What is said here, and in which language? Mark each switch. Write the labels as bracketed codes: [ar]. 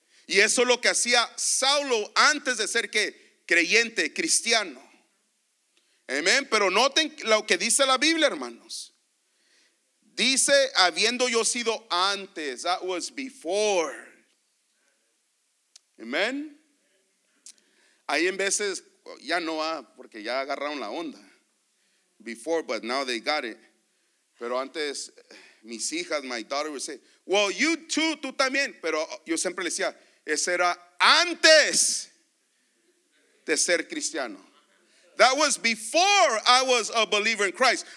[es] Y eso es lo que hacía Saulo antes de ser que creyente, cristiano. Amén. Pero noten lo que dice la Biblia, hermanos. Dice, habiendo yo sido antes, [en] that was before. [es] Amén. Ahí en veces ya no va, porque ya agarraron la onda. [en] Before, but now they got it. [es] Pero antes, mis hijas, [en] my daughter would say, well, you too, [es] tú también. Pero yo siempre le decía, ese era antes de ser cristiano. [en] That was before I was a believer in Christ.